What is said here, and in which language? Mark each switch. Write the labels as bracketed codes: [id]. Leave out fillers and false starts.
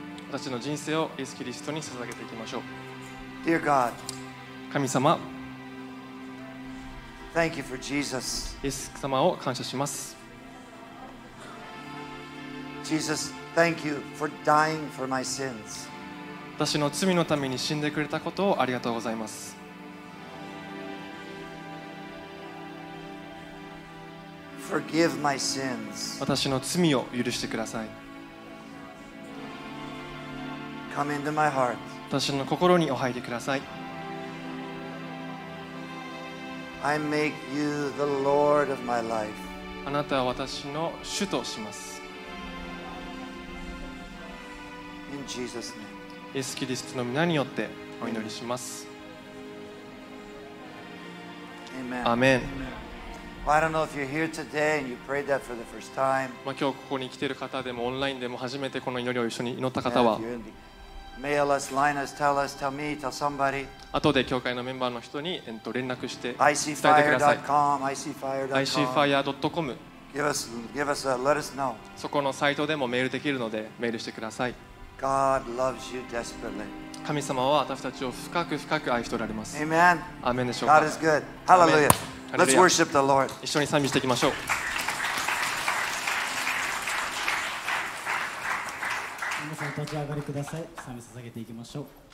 [ja] 私の人生をイエス・キリストに捧げていきましょう。 [en] Dear God, [ja] 神様、 [en] Thank you for Jesus. [ja] イエス様を感謝します。 [en] Jesus, thank you for dying for my sins. [ja] 私の罪のために死んでくれたことをありがとうございます。 [en] forgive my sins. [ja] 私の罪を許してください。 [en] Come into my heart. [ja] 私の心にお入りください。 [en] I make you the Lord of my life. [ja] あなたは私の主とします。 [en] In Jesus' name. [ja] イエス・キリストの名によってお祈りします。 [en] Amen. Well, I don't know if you're here today and you prayed that for the first time. [ja] まあ今日ここに来ている方でもオンラインでも初めてこの祈りを一緒に祈った方は、 [en] mail us, line us, tell us, tell me, tell somebody. [ja] 後で教会のメンバーの人に連絡して [en] icfire.com, icfire.com. Let us know. [ja] そこのサイトでもメールできるのでメールしてください。 [en] God loves you desperately. [ja] 神様は私たちを深く深く愛しておられます。 [en] Amen. [ja] アーメンでしょうか。 [en] God is good. Hallelujah. Let's worship the Lord. [ja] 一緒に賛美していきましょう。皆さん立ち上がりください。賛美捧げていきましょう。